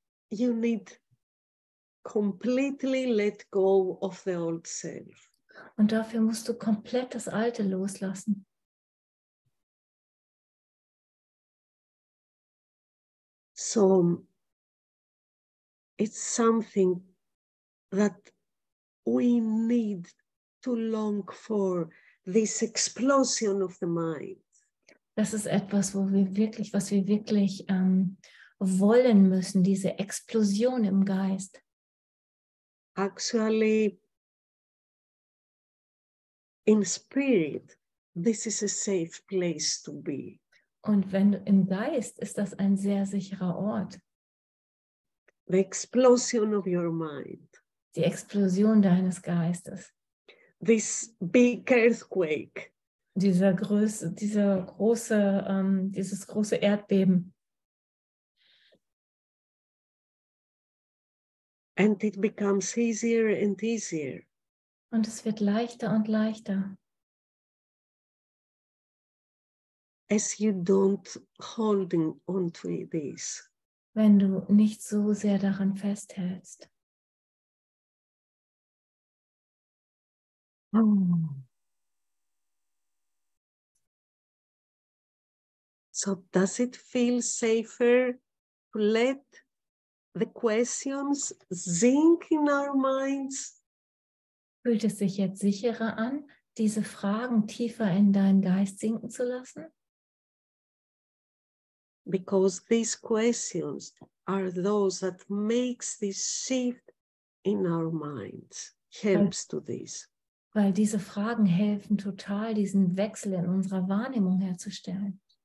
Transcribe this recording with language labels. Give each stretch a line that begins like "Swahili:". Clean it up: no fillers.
English: You need completely let go of the old self.
German: Und dafür musst du komplett das Alte loslassen.
English: So, it's something that we need to long for, this explosion of the mind.
German: Das ist etwas, was wir wirklich wollen müssen, diese Explosion im Geist.
English: Actually, in spirit, this is a safe place to be.
German: Und wenn im Geist, ist das ein sehr sicherer Ort.
English: The explosion of your mind.
German: Die Explosion deines Geistes.
English: This big earthquake.
German: Dieses große Erdbeben.
English: And it becomes easier and easier.
German: Und es wird leichter und leichter.
English: As you don't holding on to this.
German: Wenn du nicht so sehr daran festhältst.
English: So does it feel safer to let the questions sink in our minds?
German: Fühlt es sich jetzt sicherer an, diese Fragen tiefer in deinen Geist sinken zu lassen?
English: Because these questions are those that makes this shift in our minds, helps to this.
German: Weil diese Fragen helfen total, diesen Wechsel in unserer Wahrnehmung herzustellen.